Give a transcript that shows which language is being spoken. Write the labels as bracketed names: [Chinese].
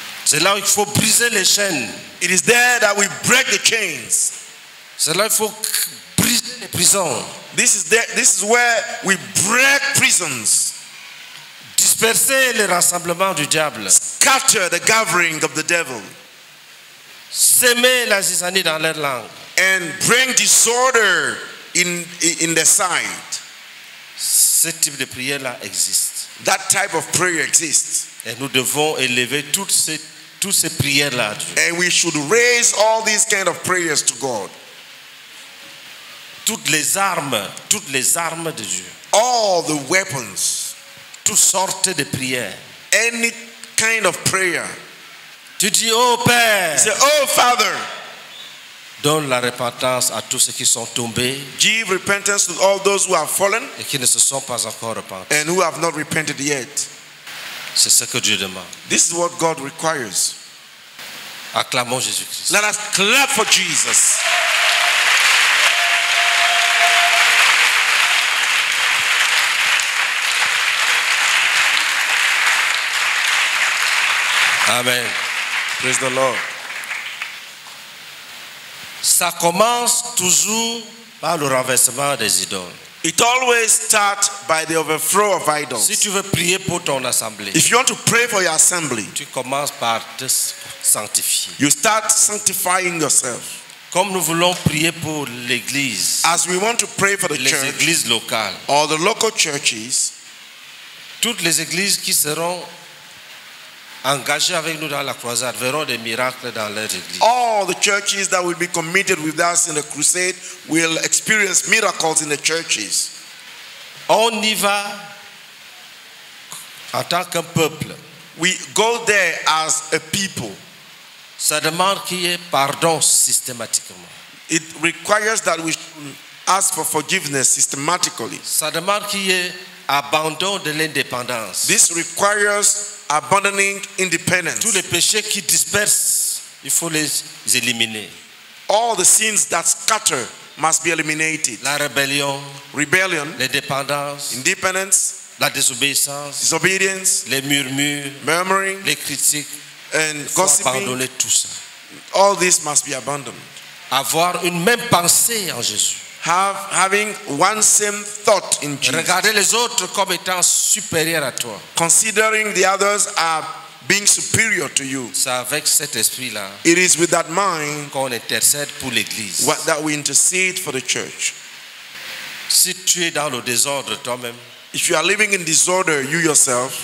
[French] C'est là où il faut briser les chaînes. [English] It is there that we break the chains. [French] C'est là où il faut briser les prisons. [English] This is where we break prisons. [French] Disperser les rassemblements du diable. [English] Scatter the gathering of the devil. [French] Semer la zizanie dans leur langue. [English] And bring disorder in their sight. [French] Ce type de prière là existe. [English] That type of prayer exists. [French] Et nous devons élever toutes ces prières là. [English] And we should raise all these kind of prayers to God. [French] Toutes les armes de Dieu. [English] All the weapons. [French] Toutes sortes de prières. [English] Any kind of prayer. [French] Tu dis, oh Père. [English] You say, oh Father. [French] Donne la repentance à tous ceux qui sont tombés. [English] Give repentance to all those who have fallen. [French] Et qui ne se sont pas encore repentis. [English] And who have not repented yet. [French] C'est ce que Dieu demande. [English] This is what God requires. [French] Acclamons Jésus-Christ. [English] Let us clap for Jesus. [French] Amen. [English] Praise the Lord. [French] Ça commence toujours par le renversement des idoles. [English] It always starts by the overthrow of idols. [French] Si tu veux prier pour ton assemblée, [English] if you want to pray for your assembly, [French] tu commences par te sanctifier. [English] You start sanctifying yourself. [French] Comme nous voulons prier pour l'église, [English] as we want to pray for the [French] les [English] church, [French] églises locales, [English] or the local churches, [French] toutes les églises qui seront engagés avec nous dans la croisade verront des miracles dans leur église. [English] All the churches that will be committed with us in the crusade will experience miracles in the churches. [French] On y va en tant qu'un peuple. [English] We go there as a people. [French] Ça demande qu'il y ait pardon systématiquement. [English] It requires that we ask for forgiveness systematically. [French] Ça demande qu'il y ait abandon de l'indépendance. [English] This requires abandoning independence. [French] Tous les péchés qui dispersent, il faut les éliminer. [English] All the sins that scatter must be eliminated. [French] La rébellion, [English] rebellion, [French] l'indépendance, [English] independence, [French] la désobéissance, [English] disobedience, [French] les murmures, [English] murmuring, [French] les critiques, [English] and gossiping. [French] Abandonner tout ça. [English] All this must be abandoned. [French] Avoir une même pensée en Jésus. [English] Having one same thought in Jesus. [French] Regardez les autres comme étant supérieurs à toi. [English] Considering the others are being superior to you. [French] C'est avec cet esprit-là. [English] It is with that mind [French] qu'on intercède pour l'église. [English] That we intercede for the church. [French] Si tu es dans le désordre toi-même, [English] if you are living in disorder, you yourself,